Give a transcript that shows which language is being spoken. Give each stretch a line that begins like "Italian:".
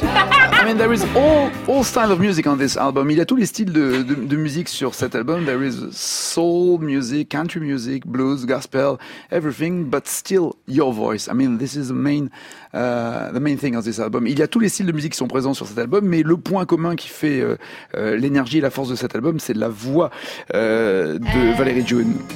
English: I mean, there is all style of music on this album.
French: Il y a tous les styles de musique sur cet album.
English: There is soul music, country music, blues, gospel, everything, but still your voice. I mean, this is the main thing on this album.
French: Il y a tous les styles de musique qui sont présents sur cet album, mais le point commun qui fait l'énergie et la force de cet album, c'est la voix de Valérie June.